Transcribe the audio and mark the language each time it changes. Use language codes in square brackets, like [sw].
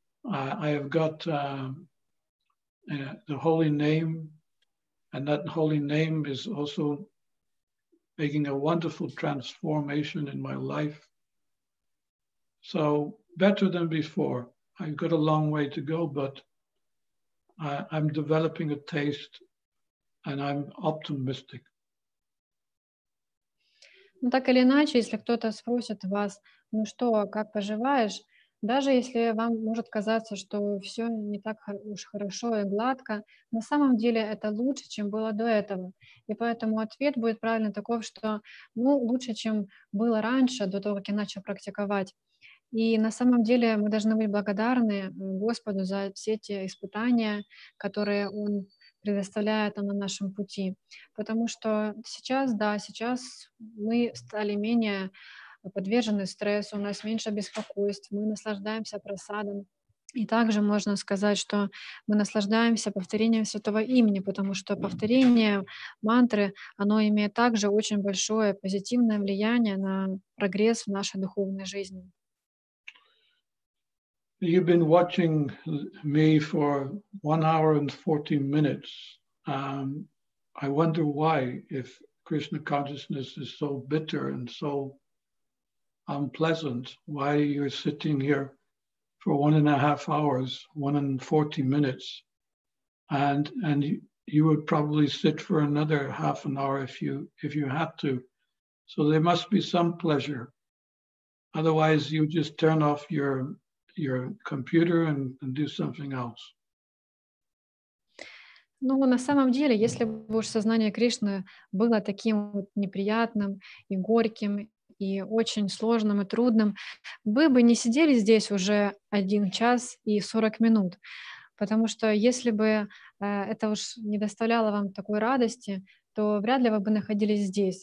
[en] I have got the holy name, and that holy name is also making a wonderful transformation in my life. So better than before. I've got a long way to go, but I'm developing a taste and I'm optimistic. [ru] Ну, так или иначе, если кто-то спросит вас, ну что, как поживаешь? Даже если вам может казаться, что все не так уж хорошо и гладко, на самом деле это лучше, чем было до этого. И поэтому ответ будет правильно таков, что ну, лучше, чем было раньше, до того, как я начал практиковать. И на самом деле мы должны быть благодарны Господу за все те испытания, которые Он предоставляет на нашем пути. Потому что сейчас, да, сейчас мы стали менее подвержены стрессу, у нас меньше беспокойств, мы наслаждаемся просадом. И также можно сказать, что мы наслаждаемся повторением святого имени, потому что повторение мантры, оно имеет также очень большое позитивное влияние на прогресс в нашей духовной жизни. [en] You've been watching me for 1 hour and 40 minutes. I wonder why, if Krishna consciousness is so bitter and so unpleasant, why you're sitting here for 1.5 hours, 1 and 40 minutes, and you would probably sit for another half an hour if you had to. So there must be some pleasure. Otherwise, you just turn off your computer and do something else. [ru] Ну, на самом деле, если бы уж сознание Кришны было таким вот неприятным и горьким, и очень сложным и трудным, вы бы не сидели здесь уже 1 час и 40 минут. Потому что если бы это уж не доставляло вам такой радости, то вряд ли вы бы находились здесь.